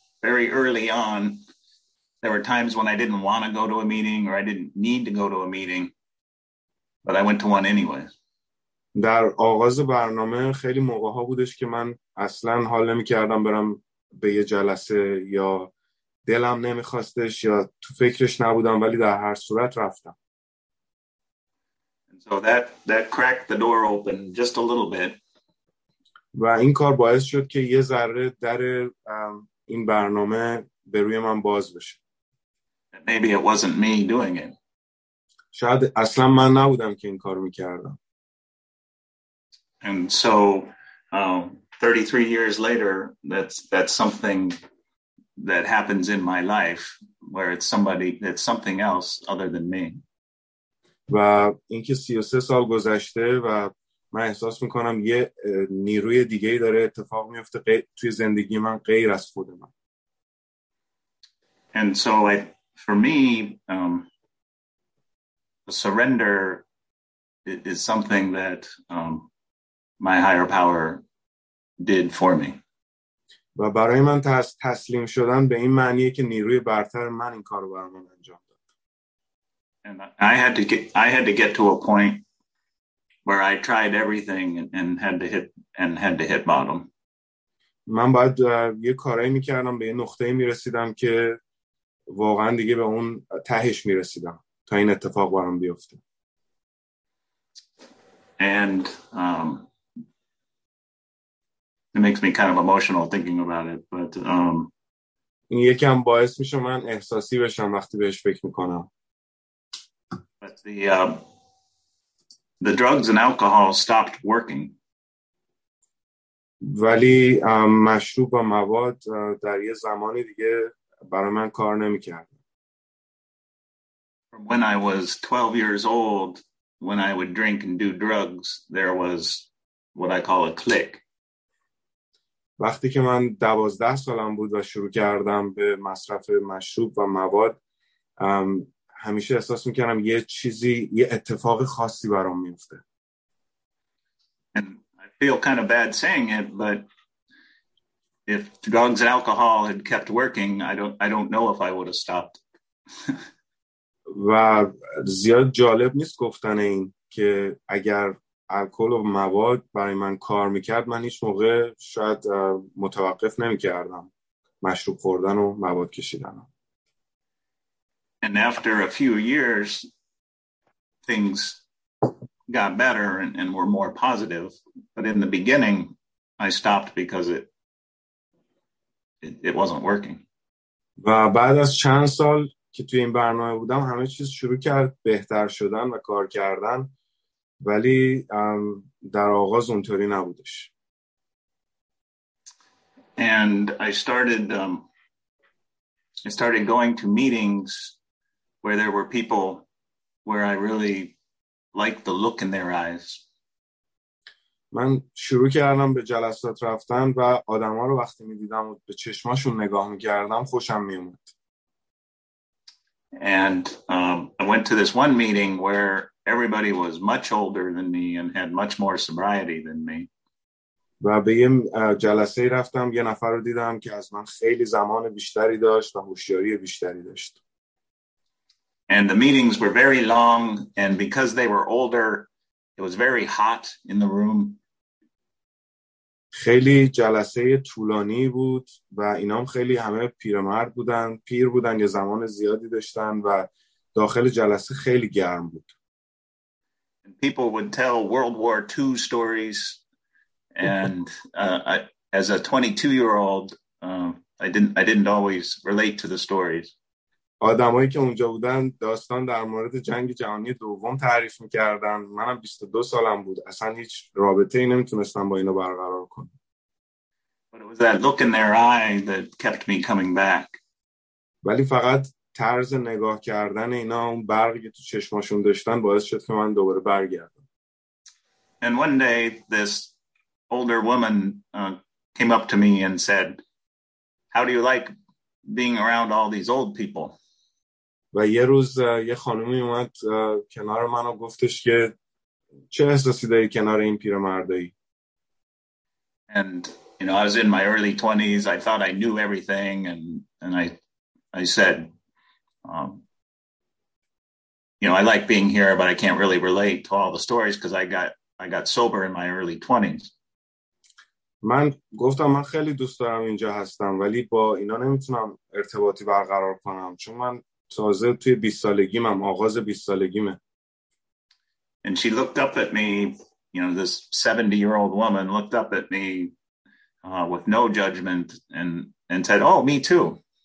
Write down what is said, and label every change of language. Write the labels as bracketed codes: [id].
[en] Very early on there were times when I didn't want to go to a meeting or I didn't need to go to a meeting, but I went to one anyway. [fa] در آغاز برنامه خیلی موقع‌ها بودش که من اصلاً حال نمی‌کردم برم به یه جلسه یا دلم نمی‌خواستش یا تو فکرش نبودم ولی در هر صورت رفتم. [en] So that cracked the door open just a little bit. [fa] و این کار باعث شد که یه ذره در این برنامه به روی من باز بشه. [en] Maybe it wasn't me doing it. [fa] شاید اصلا من نبودم که این کارو می‌کردم. [en] And so 33 years later that's something that happens in my life where it's something else other than me. [fa] و اینکه 33 سال گذشته و من احساس میکنم یه نیروی دیگه داره اتفاق میفته توی زندگی من غیر از خود من. [en] And so for me surrender is something that my higher power did for me. [fa] و برای من تسلیم شدن به این معنیه که نیروی برتر من این کارو برام انجام. [en] And I had to get to a point where I tried everything and had to hit bottom. [fa] من باید یه کاری می‌کردم به یه نقطه‌ای می‌رسیدم که واقعاً دیگه به اون تهش می‌رسیدم تا این اتفاق برام بیفته. [en] And it makes me kind of emotional thinking about it, but [fa] این یکم باعث میشه من احساسی بشم وقتی بهش فکر می‌کنم. [en] But the drugs and alcohol stopped working. [fa] ولی مشروب و مواد در یه زمانی دیگه برای من کار نمی‌کرد. [en] From when I was 12 years old, when I would drink and do drugs, there was what I call a click. [fa] وقتی که من 12 سالم بود و شروع کردم به مصرف مشروب و مواد همیشه احساس میکردم یه چیزی، یه اتفاق خاصی برام میفته. [en] And I feel kind of bad saying it, but if drugs and alcohol had kept working, I don't know if I would have stopped. [fa] و زیاد جالب نیست گفتن این که اگر الکل و مواد برای من کار میکرد، من هیچ موقع شاید متوقف نمیکردم مشروب خوردن و مواد کشیدنم. [en] And after a few years, things got better and were more positive. But in the beginning, I stopped because it wasn't working. [fa] و بعد از چند سال که توی این برنامه بودم، همه چیز شروع کرد بهتر شدن و کار کردن، ولی در آغاز اونطوری نبودش. [en] And I started going to meetings where there were people where I really liked the look in their eyes. [fa] من شروع کردم به جلسات رفتن و آدما رو وقتی می‌دیدم و به چشماشون نگاه می‌کردم خوشم میومد. [en] And I went to this one meeting where everybody was much older than me and had much more sobriety than me. [fa] و به یه جلسه رفتم، یه نفر رو دیدم که از من خیلی زمان بیشتری داشت و هوشیاری بیشتری داشت. [en] And the meetings were very long, and because they were older, it was very hot in the room. [fa] خیلی جلسه طولانی بود و اینا هم خیلی همه پیرمرد بودن، پیر بودن، یه زمان زیادی داشتن و داخل جلسه خیلی گرم بود. [en] And people would tell World War II stories, and as a 22-year-old, I didn't always relate to the stories. [fa] آدمایی که اونجا بودن داستان در مورد جنگ جهانی دوم تعریف می‌کردن. منم 22 سالم بود. اصلاً هیچ رابطه‌ای نمی‌تونستم با اینا برقرار کنم. [en] But it was that look in their eye that kept me coming back. [fa] ولی فقط طرز نگاه کردن اینا، اون برقی تو چشماشون داشتن، باعث شد که من دوباره برگردم. [en] And one day this older woman came up to me and said, "How do you like being around all these old people?" [fa] و یه روز یه خانومی اومد کنار من و گفتش که چه احساسی داری کنار این پیرمردایی. [en] And you know, I was in my early 20s, I thought I knew everything, and I said, you know, I like being here, but I can't really relate to all the stories because I got sober in my early 20s. [fa] من گفتم من خیلی دوست دارم اینجا هستم، ولی با اینا نمیتونم ارتباطی برقرار کنم چون من تازه توی 20 سالگیمم، آغاز 20 سالگیمه. [en] And she looked up at me, you know, this 70-year-old woman looked up at me with no judgment and said, "Oh, me too."